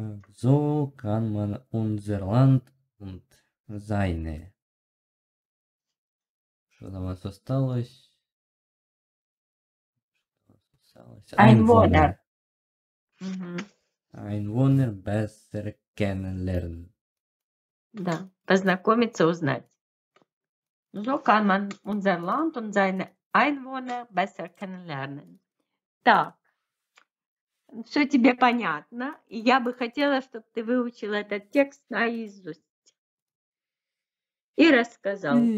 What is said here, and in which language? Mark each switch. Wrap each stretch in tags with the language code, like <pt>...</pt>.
<de>So kann man unser Land und seine.</de> <ru>Что там у нас осталось? Осталось?</ru> <de>Einwohner. Einwohner. Einwohner besser kennenlernen.</de> <ru>Да, познакомиться, узнать.</ru> <de>So kann man unser Land und seine Einwohner besser kennenlernen.</de> <ru>Так, все тебе понятно, и я бы хотела, чтобы ты выучил этот текст наизусть и рассказал.</ru>